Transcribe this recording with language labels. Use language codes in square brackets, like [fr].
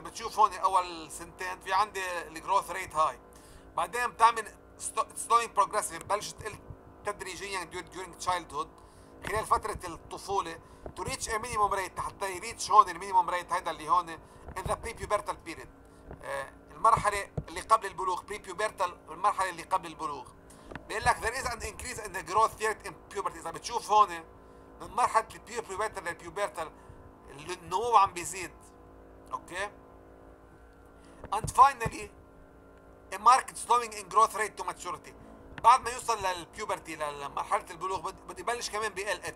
[ar] بتشوف هون اول سنتين في عندي الجروث ريت هاي، بعدين بتعمل [en] slowing progressive [ar] بلش تقل تدريجيا [en] during childhood [ar] خلال فترة الطفولة [en] to reach a minimum rate، [ar] حتى يريتش هون المينيموم ريت هيدا اللي هون [en] in the prepubertal period، [ar] المرحلة اللي قبل البلوغ. prepubertal المرحلة اللي قبل البلوغ. بيقول لك [en] there is an increase in the growth rate in puberty. [ar] إذا بتشوف هون من مرحلة prepubertal للpubertal النمو عم بيزيد، أوكي. [en] And finally a marked slowing in growth rate to maturity. [ar] بعد ما يوصل للpuberty لمرحلة البلوغ بدي يبلش كمان بيقل.